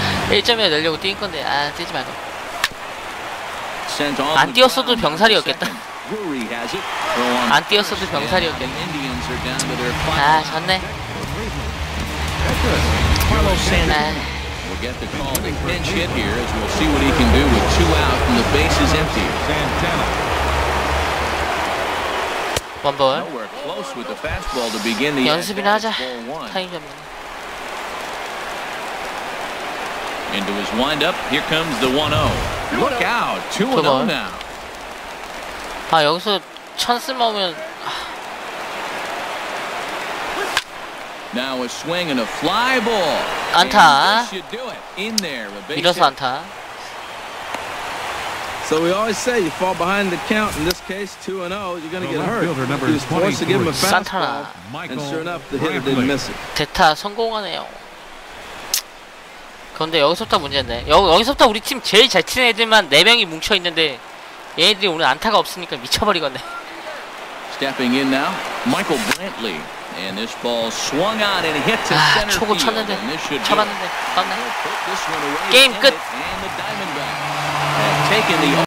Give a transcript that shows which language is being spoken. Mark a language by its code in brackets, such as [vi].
[ko] 1점이야 내려고 뛴 건데 아 뛰지 말고 안 뛰었어도 병살이었겠다. 안 뛰었어도 병살이었겠네. 아 졌네. 아 [en] will get the call to pinch hit here as we'll see what he can do with two out and the bases empty. Santana. One ball. Nowhere close with the fastball to begin the inning. Into his windup. Here comes the 1-0. Look out. 2-0 now. [ko] 아 여기서 찬스 먹으면 [en] Now a swing and a fly ball. [ko] 안타. 밀어서 안타. [en] So we always say you fall behind the count. In this case, 2-0, you're going to get hurt. He was forced to give him a fastball. And sure enough, the hitter didn't miss it. [ko] 대타 성공하네요. 그런데 여기서부터 문제인데 여기서부터 우리 팀 제일 잘 치는 애들만 4명이 뭉쳐 있는데 얘네들이 오늘 안타가 없으니까 미쳐버리겠네. [en] Stepping in now, Michael Brantley. And this ball swung on and hit to center field. [ko] 초고 쳤는데 잡았는데 맞네. 게임 끝.